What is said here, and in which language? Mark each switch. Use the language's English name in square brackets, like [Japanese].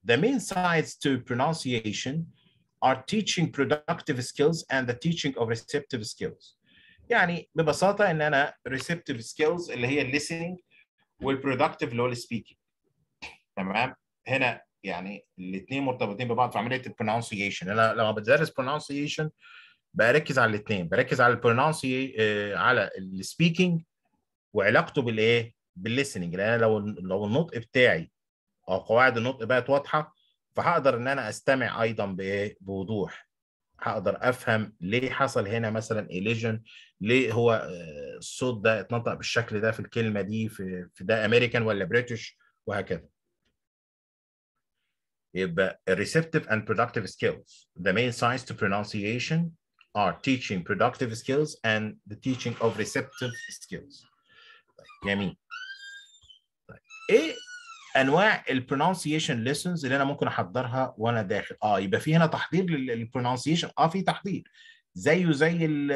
[English] The main sides to pronunciation are teaching productive skills and the teaching of receptive skills. [Arabic] يعني ببساطة ان انا [English] receptive skills [Arabic] اللي هي listening والproductive اللي هو speaking. تمام هنا يعني الاثنين مرتبطين ببعض في عمليه البرونسيشن. انا لما بدرس برونسيشن بركز على الاثنين، بركز على على السبيكينج وعلاقته بالايه؟ بالليسننج. لان لو النطق بتاعي او قواعد النطق بقت واضحه فهقدر ان انا استمع ايضا بايه؟ بوضوح. هقدر افهم ليه حصل هنا مثلا إليجن، ليه هو الصوت ده اتنطق بالشكل ده في الكلمه دي، في ده امريكان ولا بريتش وهكذا. [English] يبقى receptive and productive skills. The main sides to pronunciation are teaching productive skills and the teaching of receptive skills. [Arabic] جميل. ايه انواع البرونسيشن ليسنز اللي انا ممكن احضرها وانا داخل؟ اه يبقى في هنا تحضير للبرونسيشن. اه في تحضير زيه زي